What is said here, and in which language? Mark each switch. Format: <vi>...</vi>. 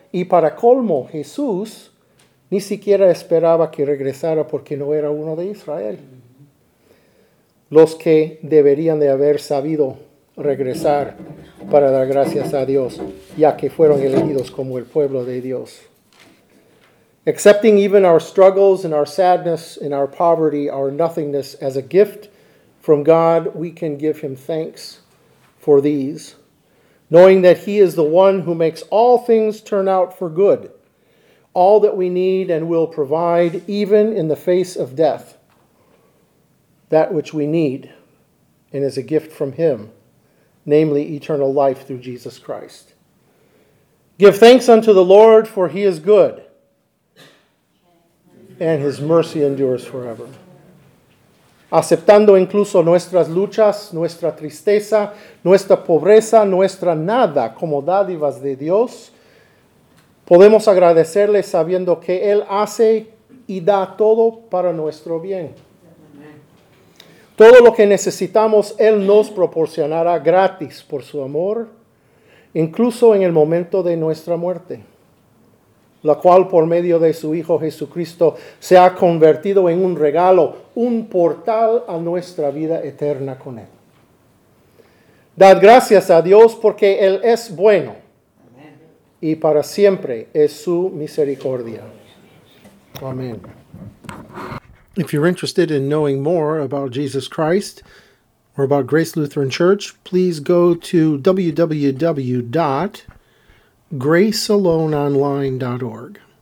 <es>Y para colmo, Jesús ni siquiera esperaba que regresara porque no era uno de Israel. Los que deberían de haber sabido regresar para dar gracias a Dios, ya que fueron elegidos como el pueblo de Dios.</es> <en>Accepting even our struggles and our sadness and our poverty, our nothingness as a gift from God, we can give him thanks for these, knowing that he is the one who makes all things turn out for good, all that we need and will provide, even in the face of death, that which we need and is a gift from him, namely eternal life through Jesus Christ. Give thanks unto the Lord, for he is good, and his mercy endures forever.</en> <es>Aceptando incluso nuestras luchas, nuestra tristeza, nuestra pobreza, nuestra nada como dádivas de Dios, podemos agradecerle sabiendo que Él hace y da todo para nuestro bien. Todo lo que necesitamos, Él nos proporcionará gratis por su amor, incluso en el momento de nuestra muerte, la cual por medio de su Hijo Jesucristo se ha convertido en un regalo, un portal a nuestra vida eterna con Él. Dad gracias a Dios porque Él es bueno y para siempre es su misericordia. Amén.</es> <en>If you're interested in knowing more about Jesus Christ or about Grace Lutheran Church, please go to www.gracealoneonline.org.</en>